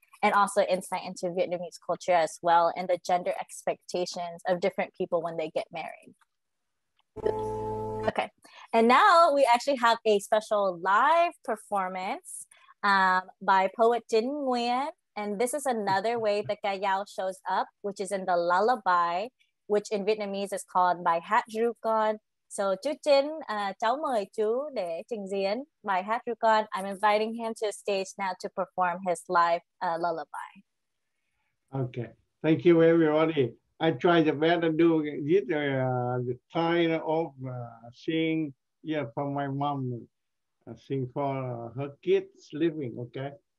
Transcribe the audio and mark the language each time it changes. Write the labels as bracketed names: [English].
[English] And also insight into Vietnamese culture as well and the gender expectations of different people when they get married. Okay, and now we actually have a special live performance by poet Nguyen. And this is another way the Ca Dao shows up, which is in the lullaby, which in Vietnamese is called bài hát ru con. [Vietnamese] So chú Chinh, cháu mời chú để trình diễn bài hát ru con. [English] I'm inviting him to the stage now to perform his live lullaby. Okay, thank you everybody. I tried the band to do it, the title of sing, yeah, for my mom, sing for her kids living, okay?